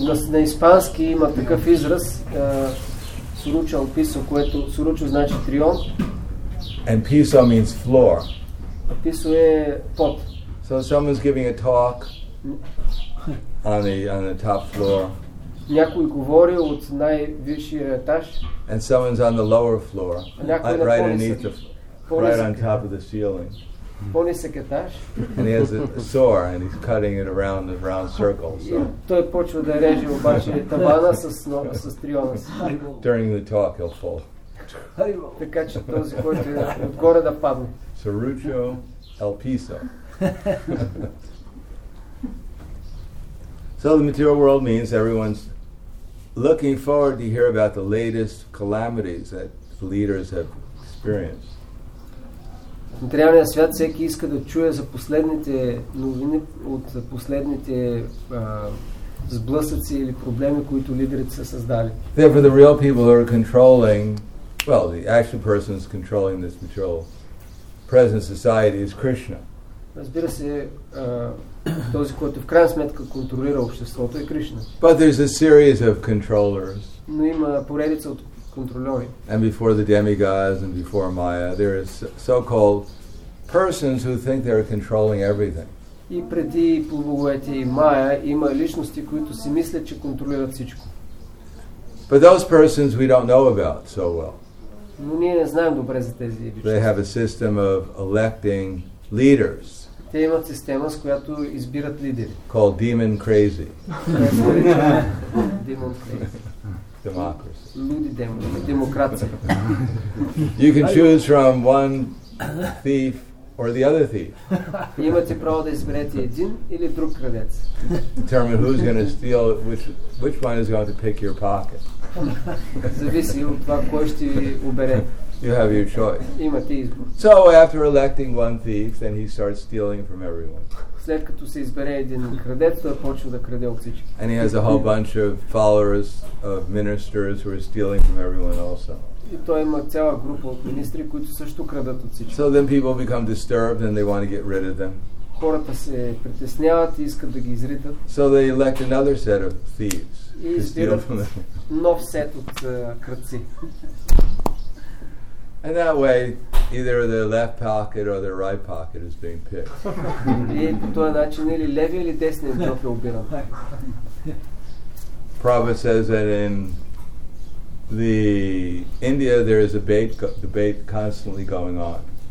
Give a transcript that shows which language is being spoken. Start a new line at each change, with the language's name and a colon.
Bulgarian: На испански има такъв израз,
Spanish: serrucho el piso,
Bulgarian: което serrucho значи трион.
English: And piso means floor.
Bulgarian: A piso е пот.
English: So someone's giving a talk on the top floor.
Bulgarian: Някой говори от най-висшия етаж.
English: And someone's on the lower floor, right underneath the, right on top of the ceiling.
Bulgarian: По-нисък етаж.
English: And he has a saw and he's cutting it around the round circle.
Bulgarian: Той почва да реже обаче табана с триона си.
English: During the talk he'll fall.
Bulgarian: Така че този, който е отгоре да падне.
Spanish: Serrucho el piso.
English: So the material world means everyone's looking forward to hear about the latest calamities that the leaders have experienced.
Bulgarian: Материалния свят всеки иска да чуе за последните новини от последните сблъсъци или проблеми, които лидерите са създали.
English: Therefore, the real people are controlling, well, the actual person is controlling this material present society is Krishna.
Bulgarian: Разбира се, този, който в крайна сметка контролира обществото, е Кришна.
English: But there's a series of controllers.
Bulgarian: Но има поредица от контролери.
English: And before the demigods and before Maya, there is so-called persons who think they are controlling everything.
Bulgarian: И преди полубоговете и Maya има личности, които си мислят, че контролират всичко.
English: But those persons we don't know about so well.
Bulgarian: Но ние не знаем добре за тези личности.
English: They have a system of electing leaders.
Bulgarian: Те имат система, с която избират лидери.
English: Called demon crazy. Demon crazy. Democracy.
Bulgarian: Люди демони. Демокрация.
English: You can choose from one thief or the other thief.
Bulgarian: Имате право да изберете един или друг крадец.
English: Determine who's going to steal, which one is going to pick your pocket.
Bulgarian: Зависи от това, кой ще ви убере.
English: You have your choice.
Bulgarian: Имате избор.
English: So after electing one thief, then he starts stealing from everyone.
Bulgarian: След като се избере един крадец, той почва да краде от всички.
English: And he has a whole bunch of followers of ministers who are stealing from everyone also.
Bulgarian: И той има цяла група от министри, които също крадат от всички.
English: So then people become disturbed and they want to get rid of them.
Bulgarian: Хората се притесняват и искат да ги изритат.
English: So they elect another set of thieves.
Bulgarian: И избират нов сет от крадци.
English: And that way, either their left pocket or their right pocket is being picked. Prabhupada says that in the India there is a debate constantly going on.